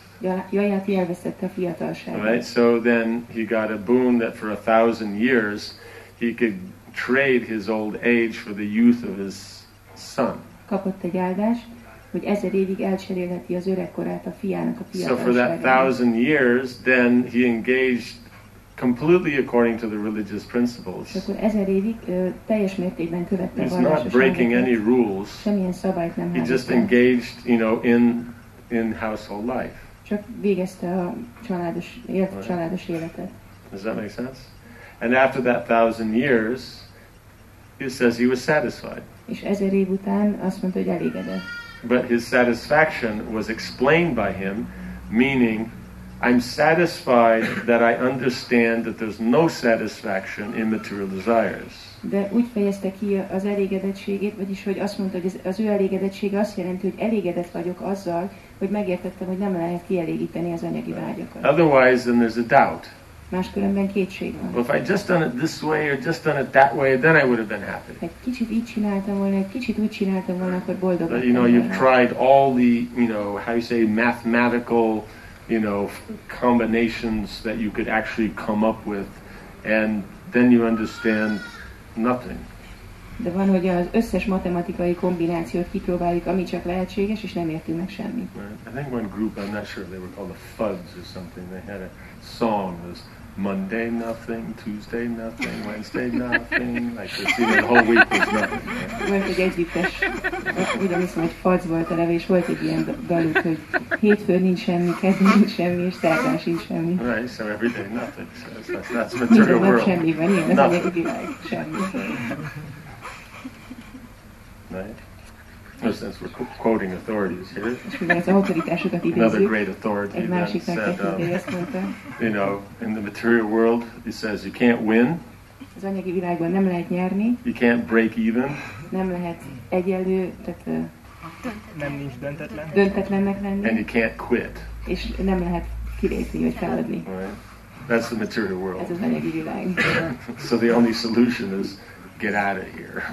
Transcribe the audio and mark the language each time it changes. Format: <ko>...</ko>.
<hu>Jaját elvesztette a fiatalságát.</hu> <en>Right, so then he got a boon that for 1,000 years he could trade his old age for the youth of his son.</en> <hu>Kapott egy áldást, hogy 1,000 évig elcserélheti az öregkorát a fiának a fiatalságát.</hu> <en>So for that 1,000 years, then he engaged completely according to the religious principles.</en> <hu>És akkor 1,000 évig teljes mértékben követte a vallásos elveket.</hu> <en>He's not breaking any rules.</en> <hu>Semmilyen szabályt nem hagyott.</hu> <en>He just engaged, you know, in household life.</en> <hu>Csak végezte a családos, élt a családos életet.</hu> <en>Does that make sense? And after that 1,000 years, he says he was satisfied.</en> <hu>És 1,000 év után azt mondta, hogy elégedett.</hu> <en>But his satisfaction was explained by him, meaning, I'm satisfied that I understand that there's no satisfaction in material desires.</en> <hu>De úgy fejezte ki az elégedettségét, vagyis hogy azt mondta, hogy az ő elégedettsége azt jelenti, hogy elégedett vagyok azzal, hogy megértettem, hogy nem lehet kielégíteni az anyagi vágyakat.</hu> <en>Otherwise, then there's a doubt.</en> <hu>Máskülönben kétség van.</hu> <en>Well, if I just done it this way or just done it that way, then I would have been happy.</en> <hu>Egy kicsit így csináltam volna, egy kicsit úgy csináltam volna, akkor boldog.</hu> <en>But you know, you've tried all the, you know, how you say, mathematical, you know, combinations that you could actually come up with, and then you understand nothing.</en> <hu>De van, hogy az összes matematikai kombinációt kipróbáljuk, ami csak lehetséges, és nem értünk meg semmit.</hu> <en>I think one group, I'm not sure, they were called the Fuzz or something, they had a song, it was Monday nothing, Tuesday nothing, Wednesday nothing, like this, even the whole week was nothing.</en> <hu>Volt egy együttes, ugyanis majd Fuzz volt a neve, és volt egy ilyen daluk, hogy hétfőn nincs semmi, kedden nincs semmi, és szerdán sincs semmi.</hu> <en>Right, so every day nothing, so that's the material world.</en> <hu>Semmi van, ilyen az egyedi világ, semmi.</hu> <en>Right. Since we're quoting authorities here, another great authority that said, you know, in the material world, he says you can't win.</en> <hu>Az anyagi világban nem lehet nyerni.</hu> <en>You can't break even.</en> <hu>Nem lehet egyenlő, tehát nem nincs döntetlen. Döntetlennek lenni.</hu> <en>And you can't quit.</en> <hu>És nem lehet kilépni vagy feladni.</hu> <en>Right. That's the material world.</en> <hu>Ez az anyagi világ.</hu> <en>So the only solution is. Get out of here.</en>